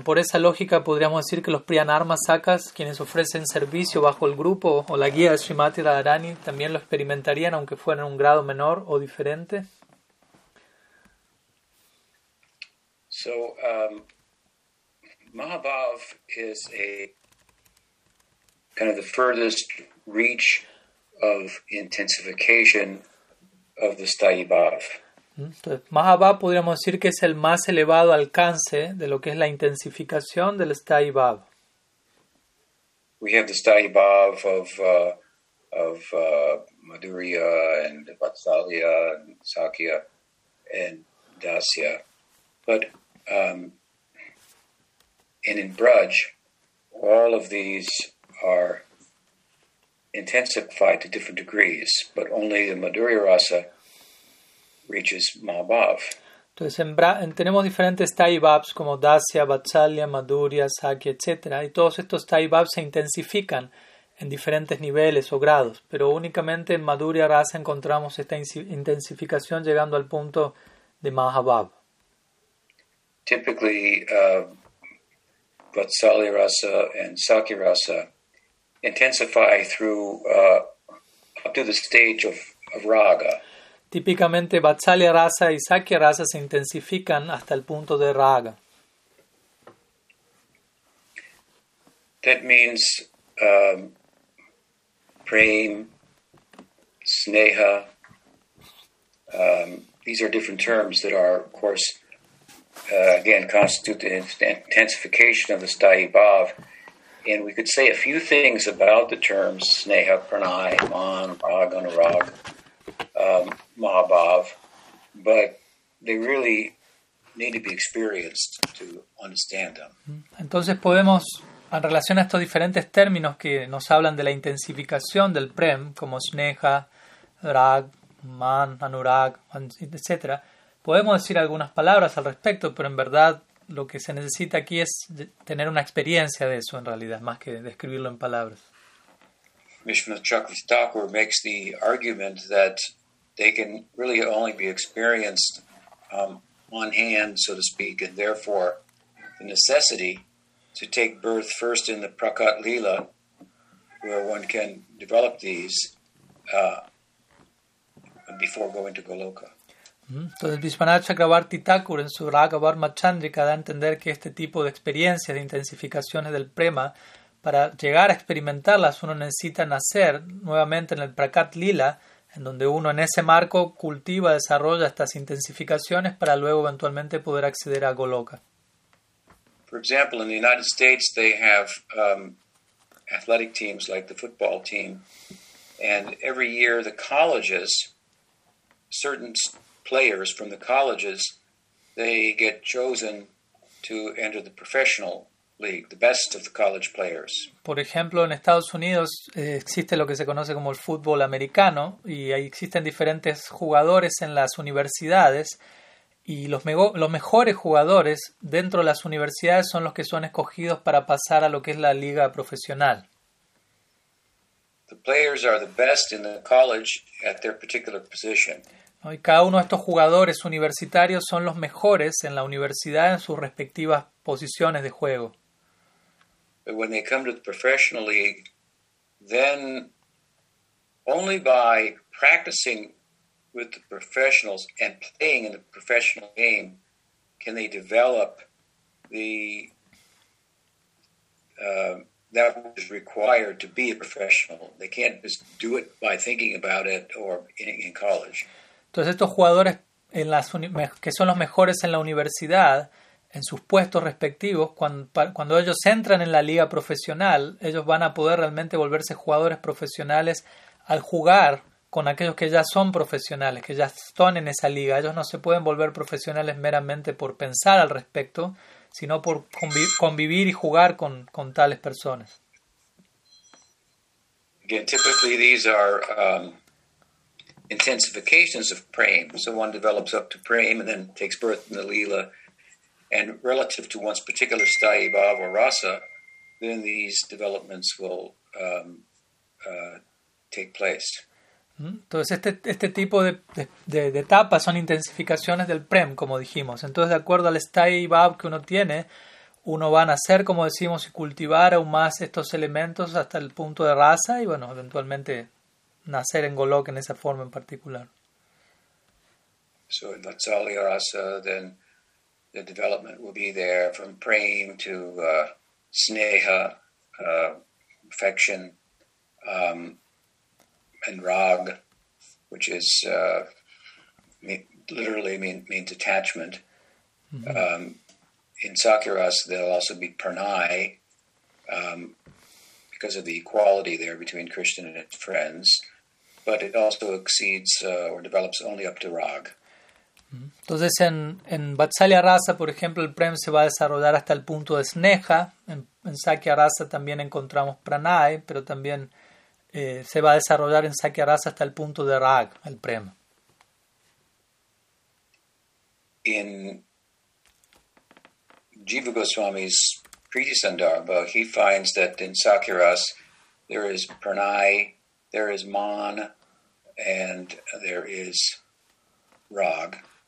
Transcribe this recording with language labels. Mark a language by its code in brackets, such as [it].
[es] Por esa lógica, podríamos decir que los Priyanarma Sakas, quienes ofrecen servicio bajo el grupo o la guía de Srimati Radharani, también lo experimentarían, aunque fuera en un grado menor o diferente. [en] So, Mahabhav is a kind of the furthest reach of intensification of the sthayi bhav. [es] Mahabhav podríamos decir que es el más elevado alcance de lo que es la intensificación del sthayi bhav. [en] We have the sthayi bhav of Madhurya and Vatsalya and Sakya and Dasya. But and in Braj, all of these are intensified to different degrees, but only the Madhurya rasa reaches Mahabhav. [es] Entonces, tenemos diferentes Taibabs como Dasya, Vatsalya, Madhurya, Sakya, etc. Y todos estos Taibabs se intensifican en diferentes niveles o grados, pero únicamente en Madhurya rasa encontramos esta intensificación llegando al punto de Mahabhav. [en] Typically, Vatsalya rasa and Sakya rasa intensify through up to the stage of raga. [es] Típicamente, Vatsalya rasa y Sakya rasa se intensifican hasta el punto de raga. [en] That means prem, sneha. These are different terms that are, of course, again constitute the intensification of the sthayi bhav. And we could say a few things about the terms sneha, pranay, man, rag, anurag, mahabhav, but they really need to be experienced to understand them. [es] Entonces podemos, en relación a estos diferentes términos que nos hablan de la intensificación del prem, como sneha, rag, man, anurag, etc., podemos decir algunas palabras al respecto, pero en verdad lo que se necesita aquí es tener una experiencia de eso, en realidad, más que describirlo en palabras. [en] Vishwanatha Chakravarti Thakur makes the argument that they can really only be experienced on hand, so to speak, and therefore the necessity to take birth first in the Prakat Lila, where one can develop these before going to Goloka. [es] Entonces, Vishwanatha Chakravarti Thakur en su Raga Varma Chandrika da a entender que este tipo de experiencias de intensificaciones del prema, para llegar a experimentarlas, uno necesita nacer nuevamente en el Prakat Lila, en donde uno en ese marco cultiva, desarrolla estas intensificaciones para luego eventualmente poder acceder a Goloka. [en] For example, in the United States they have athletic teams like the football team, and every year the colleges, certain players from the colleges, they get chosen to enter the professional league, the best of the college players. [es] Por ejemplo, en Estados Unidos existe lo que se conoce como el fútbol americano, y ahí existen diferentes jugadores en las universidades, y los mejores jugadores dentro de las universidades son los que son escogidos para pasar a lo que es la liga profesional. [en] The players are the best in the college at their particular position. [es] Y cada uno de estos jugadores universitarios son los mejores en la universidad en sus respectivas posiciones de juego. [en] But when they come to the professional league, then only by practicing with the professionals and playing in the professional game, can they develop the that is required to be a professional? They can't just do it by thinking about it or in college. [es] Entonces estos jugadores en las que son los mejores en la universidad, en sus puestos respectivos, cuando ellos entran en la liga profesional, ellos van a poder realmente volverse jugadores profesionales al jugar con aquellos que ya son profesionales, que ya están en esa liga. Ellos no se pueden volver profesionales meramente por pensar al respecto, sino por convivir y jugar con tales personas. [en] Again, typically these are intensifications of prem. So one develops up to prem and then takes birth in the lila. And relative to one's particular sthayi bhava or rasa, then these developments will take place. [es] Entonces este tipo de etapas son intensificaciones del prem, como dijimos. Entonces, de acuerdo al sthayi bhava que uno tiene, uno va a nacer, como decimos, y cultivar aún más estos elementos hasta el punto de rasa y, bueno, eventualmente nacer en Golok en esa forma en particular. [en] So in Vatsali Rasa, then the development will be there from prem to sneha, affection, and rag, which is literally means attachment. Mm-hmm. In Sakya Rasa, there will also be pranay, because of the equality there between Krishna and his friends. But it also exceeds or develops only up to rag. [es] Entonces en Vatsalya Rasa, por ejemplo, el prem se va a desarrollar hasta el punto de sneha. En Sakya Rasa también encontramos pranay, pero también se va a desarrollar en Sakya Rasa hasta el punto de rag, el prem. [en] In Jiva Goswami's Preetisandarbha, he finds that in Sakya Rasa there is pranay, there is man, and there is rag.